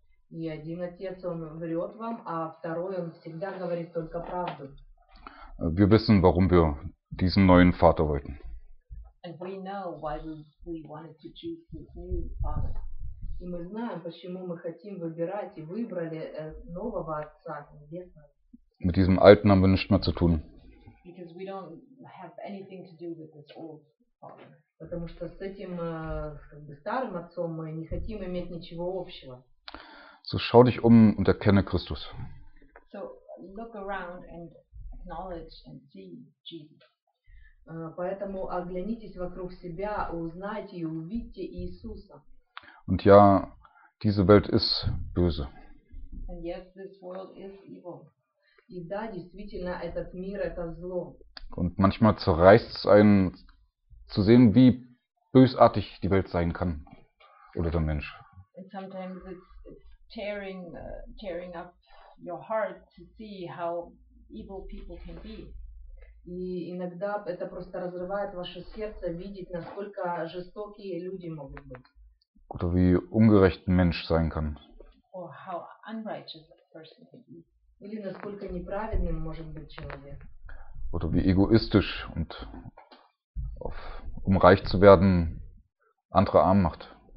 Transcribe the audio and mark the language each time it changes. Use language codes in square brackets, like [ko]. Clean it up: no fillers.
[ru] И один отец, он врет вам, а второй, он всегда говорит только правду. [de] Wir wissen, warum wir diesen neuen Vater wollten. [en] And we know why we wanted to choose this new father. [ru] И мы знаем, почему мы хотим выбирать и выбрали нового отца. [de] Mit diesem alten haben wir nichts mehr zu tun. [en] Because we don't have anything to do with this old father. [ru] Потому что с этим старым отцом мы не хотим иметь ничего общего. [de] So schau dich um und erkenne Christus. [en] So look around and acknowledge and see Jesus. [ru] Поэтому оглянитесь вокруг себя, узнайте и увидьте Иисуса. [de] Und ja, diese Welt ist böse. [en] And yes, this world is evil. [ru] И да, действительно, этот мир это зло. [de] Und manchmal zerreißt es einen, zu sehen, wie bösartig die Welt sein kann oder der Mensch. [en] And sometimes it's tearing up your heart to see how evil people can be. [ru] И иногда это просто разрывает ваше сердце видеть, насколько жестокие люди могут быть. [de] Oder wie ungerecht ein Mensch sein kann. [en] Or how unrighteous a person can be. [ru] Или насколько неправедным может быть человек. [de] Oder wie egoistisch und auf, um reich zu werden, andere arm macht.